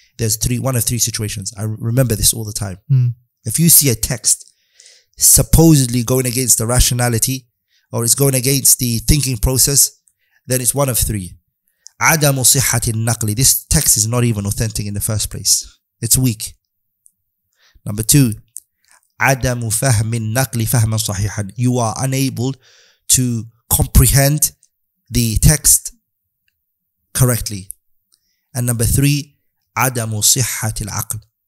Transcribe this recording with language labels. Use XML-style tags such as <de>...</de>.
<en>There's one of three situations. I remember this all the time. If you see a text supposedly going against the rationality or it's going against the thinking process, then it's one of three.</en> <ar>عدم صحة النقل.</ar> <en>This text is not even authentic in the first place. It's weak. Number two,</en> <ar>عدم فهم النقل فهما صحيحا.</ar> <en>You are unable to comprehend the text correctly. And number three,</en> <ar>عدم صحة العقل.</ar>